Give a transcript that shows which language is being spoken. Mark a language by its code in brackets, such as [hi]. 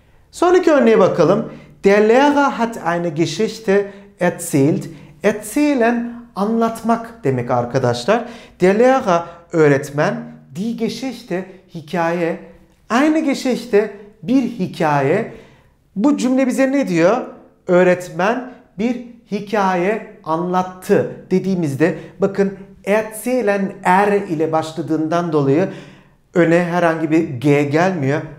[tr] Sonraki örneğe bakalım. [de] Der Lehrer hat eine Geschichte erzählt. [tr] Erzählen anlatmak demek arkadaşlar. Der Lehrer öğretmen die Geschichte hikaye. Eine Geschichte bir hikaye. Bu cümle bize ne diyor? Öğretmen bir hikaye anlattı dediğimizde bakın erzählen er ile başladığından dolayı öne herhangi bir g gelmiyor.